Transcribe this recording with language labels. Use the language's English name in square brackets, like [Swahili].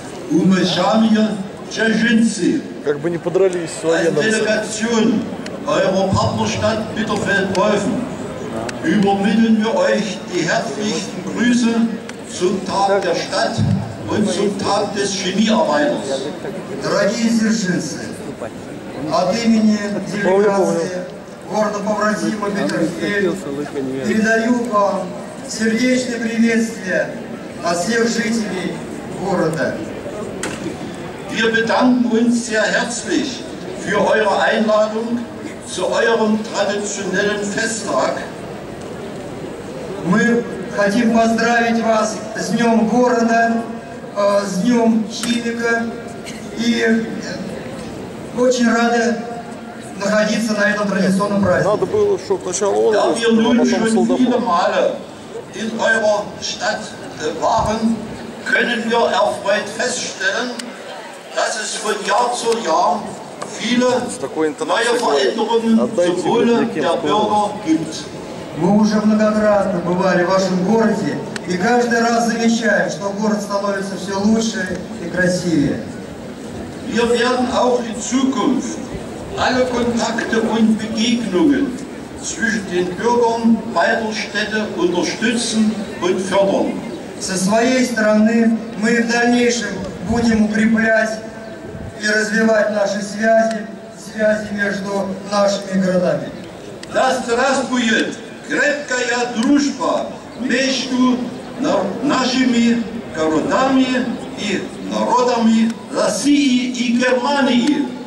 [Russian] Уважаемые дзержинцы, как бы не подрались с военными. [German] Übermitteln wir euch die herzlichsten Grüße zum Tag der Stadt und zum Tag des Chemiearbeiters. [Russian] Дорогие сержинцы, от имени делегации города побратима Биттерфельд передаю вам сердечное приветствие от всех жителей города. [German] Wir bedanken uns sehr herzlich für eure Einladung zu eurem traditionellen Festtag. [Russian] Мы хотим поздравить вас с Днем города, с Днем химика, и очень рады находиться на этом традиционном празднике. Надо было, чтобы сначала он, а потом солдат. Да, мы уже много раз в вашей стране были, как [German] können wir erfreut feststellen, dass es von Jahr zu Jahr viele neue Veränderungen zum Wohle der Bürger gibt. [Russian] Мы уже многократно бывали в вашем городе и каждый раз замечаем, что город становится все лучше и красивее. [German] Wir werden auch in Zukunft alle Kontakte und Begegnungen zwischen den Bürgern beider Städte unterstützen und fördern. [Russian] Со своей стороны мы в дальнейшем будем укреплять и развивать наши связи между нашими городами. Да здравствует крепкая дружба между нашими городами и народами России и Германии.